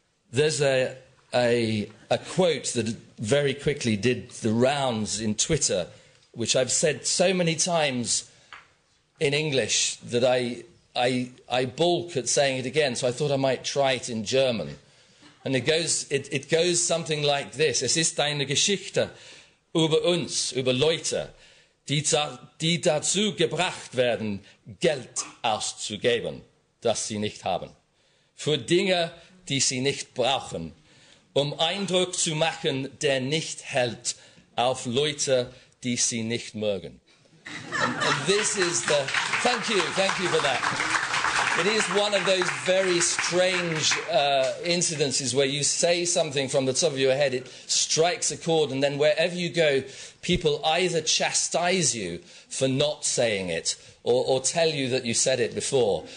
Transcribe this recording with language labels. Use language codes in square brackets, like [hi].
[en] There's a quote that very quickly did the rounds in Twitter, which I've said so many times in English that I balk at saying it again, so I thought I might try it in German. And it goes something like this. [de] Es ist eine Geschichte über uns, über Leute, die dazu gebracht werden, Geld auszugeben, das sie nicht haben. Für Dinge, die sie nicht brauchen. Um Eindruck zu machen, der nicht hält, auf Leute, die sie nicht mögen. [en] And this is the... Thank you for that. It is one of those very strange incidences where you say something from the top of your head, it strikes a chord, and then wherever you go, people either chastise you for not saying it or tell you that you said it before.